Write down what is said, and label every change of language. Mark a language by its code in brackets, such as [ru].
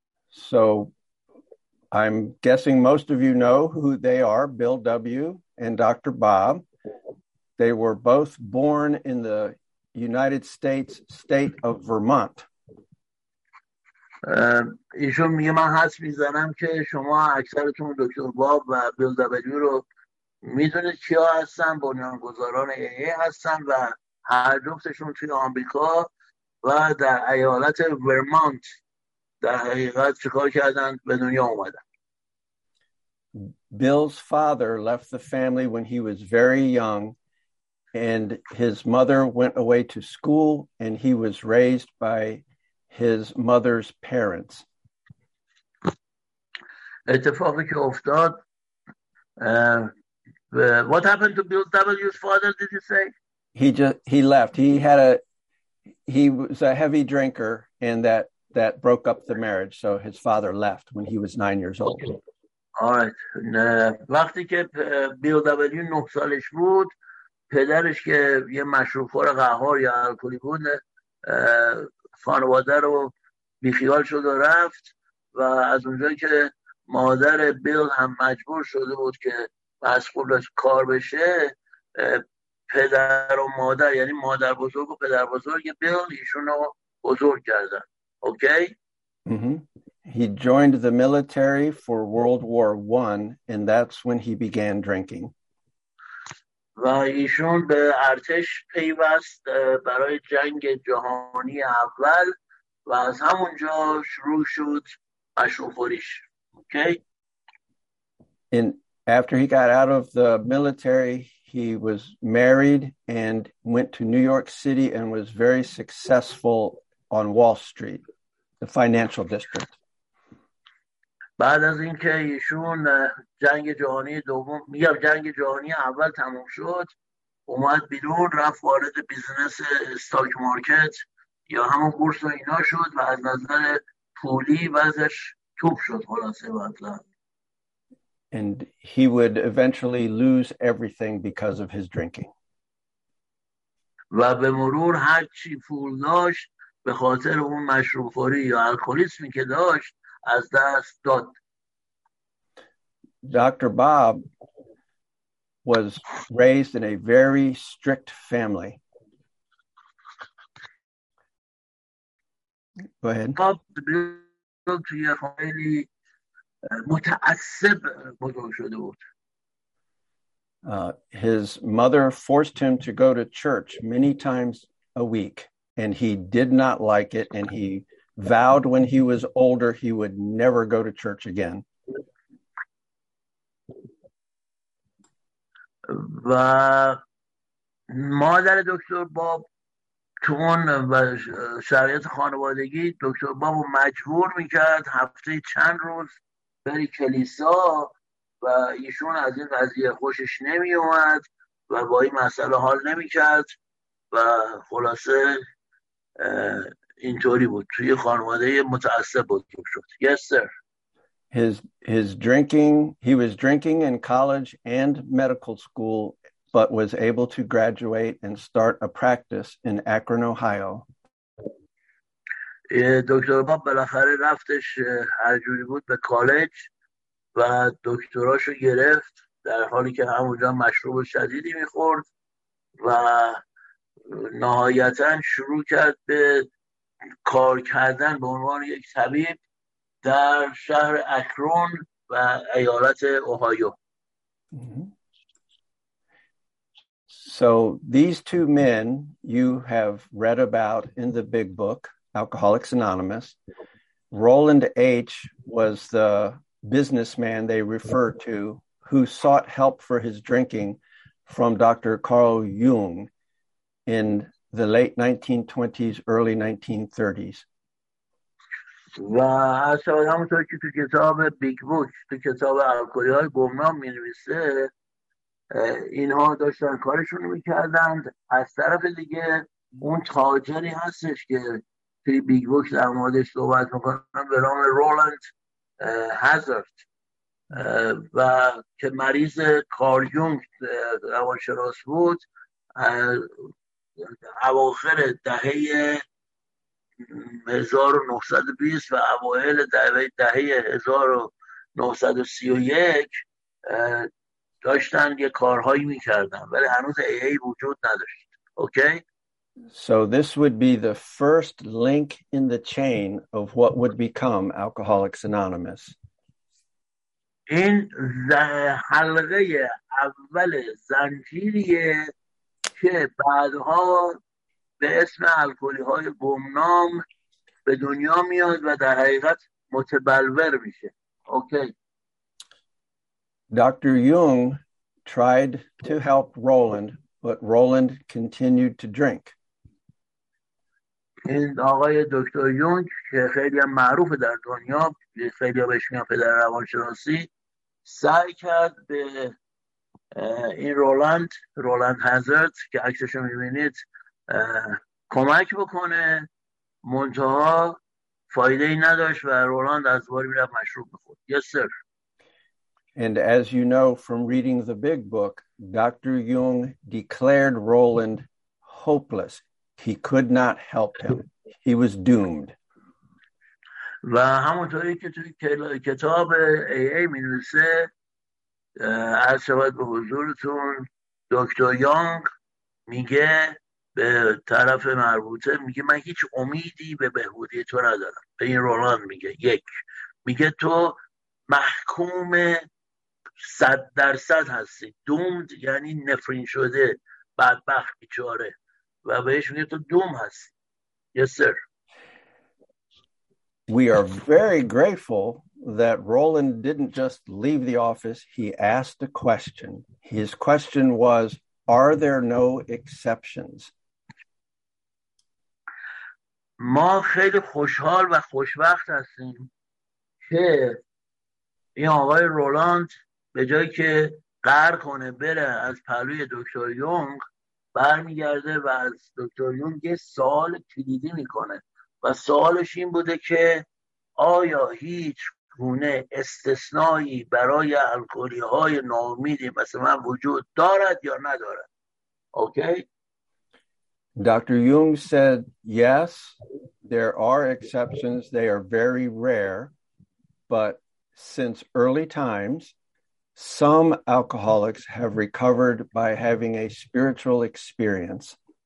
[en] So I'm guessing most of you know who they are, Bill W. and Dr. Bob. They were both born in the United States state of Vermont. [fa] ایشون میگه من حس میزنم که شما اکثرتون دکتر باب و بیل دبلیو رو میدونید کیا هستن، بنیانگذاران AA هستن و هر جفتشون توی آمریکا و در ایالت ورمونت در حقیقت چیکار کردن به دنیا اومدن. [en] Bill's father left the family when he was very young and his mother went away to school and he was raised by his mother's parents. [fa] اتفاقی که افتاد [en] what happened to Bill W's father, did you say? He left. He was a heavy drinker and that broke up the marriage, so his father left when he was 9 years old. Okay. All right. [fa] وقتی که بیل دبلیو 9 سالش بود، پدرش که یه مشروب خور قهار یا الکلی بود، خانواده رو بیخیال شد و رفت و از اونجایی که مادر بیل هم مجبور شده بود که مشغولش کار بشه، پدر و مادر یعنی مادر بزرگ و پدر بزرگ بیل ایشون رو بزرگ کردن. اوکی؟ [en] He joined the military for World War 1 and that's when he began drinking. [fa] و ایشون به ارتش پیوست برای جنگ جهانی اول و از همونجا شروع شد مشروب خوریش. اوکی؟ [en] And after he got out of the military, he was married and went to New York City and was very successful on Wall Street, the financial district. [fa] بعد از اینکه ایشون جنگ جهانی دوم میگم جنگ جهانی اول تموم شد، اومد بیرون رفت وارد بیزنس استاک مارکت یا همون بورس و اینا شد و از نظر پولی وضعش توپ شد خلاصه مطلب. [en] And he would eventually lose everything because of his drinking. [fa] و به مرور هر چی پول داشت به خاطر اون مشروب خوری یا الکلیسمی که داشت از دست داد. [en] Dr. Bob was raised in a very strict family. Go ahead. Bob built a family [fa] متعصب بزرگ شده بود. [en] His mother forced him to go to church many times a week, and he did not like it, and he vowed when he was older he would never go to church again. [fa] و مادر دکتر باب چون و شرایط خانوادگی دکتر باب مجبور میکرد هفته چند روز بری کلیسا و ایشون از این قضیه خوشش نمی اومد و با این مسئله حال نمی کرد و خلاصه اینطوری بود توی خانواده متعصب بود دکتر. [en] Yes sir. His drinking, he was drinking in college and medical school, but was able to graduate and start a practice in Akron, Ohio. Dr. [fa] Bob بالاخره رفتش هرجوری بود به کالج و دکتراشو گرفت در حالی که همونجا مشروب شدیدی میخورد و نهایتاً شروع کرد به کار کردن به عنوان یک طبیب در شهر اکرون و ایالت اوهایو. [en] So these two men you have read about in the big book, Alcoholics Anonymous. Roland H. was the businessman they refer to who sought help for his drinking from Dr. Carl Jung in the late 1920s, early 1930s. [fa] و اصلا همونطور که تو کتاب بیگ بوک تو کتاب الکلی های گمنام می نویسه اینها داشتن کارشون رو می کردند. از طرف دیگه اون تاجری هستش که توی بیگ بوک در موردش صحبت میکنم به نام رولند هزارد و که مریض کارل یونگ روانشناس بود اواخر دهه 1920 و اوائل دهه 1931 داشتن یه کارهایی میکردن ولی هنوز AA وجود نداشت. [en] Okay? So this would be the first link in the chain of what would become Alcoholics Anonymous. [fa] این حلقه اول زنجیریه که بعدها به اسم الکلی های گمنام به دنیا میاد و در حقیقت متبلور میشه. [en] Okay. Dr. Jung tried to help Roland, but Roland continued to drink. [fa] این آقای دکتر یونگ که خیلی هم معروفه در دنیا، خیلی ها بهش میگن پدر روانشناسی، سعی کرد به این رولند هزارد که عکسش رو میبینید کمک بکنه، منتها فایده ای نداشت و رولاند از باری میرفت مشروب بخورد. [en] Yes sir. And as you know from reading the big book, Dr. Jung declared Roland hopeless. He could not help him. He was doomed. [fa] و همونطوری که توی کتاب AA می نویسه از شبت به حضورتون دکتر یونگ میگه به طرف مربوطه میگه من هیچ امیدی به بهبودی تو ندارم. به این رولاند میگه یک میگه تو محکوم 100% هستی. دومد یعنی نفرین شده، بدبخت بیچاره، و بهش میگه تو دوم هستی. [en] Yes sir. We are very grateful that Roland didn't just leave the office. He asked a question. His question was, are there no exceptions? [fa] ما خیلی خوشحال و خوشبخت هستیم که این آقای رولاند به جایی که غر کنه بره از پهلوی دکتر یونگ برمیگرده و از دکتر یونگ یه سوال کلیدی میکنه و سوالش این بوده که آیا هیچ گونه استثنایی برای الکلی های ناامیدی مثل من وجود دارد یا ندارد. اوکی؟ [en] Dr. Jung said, yes, there are exceptions. They are very rare. But since early times, some alcoholics have recovered by having a spiritual experience.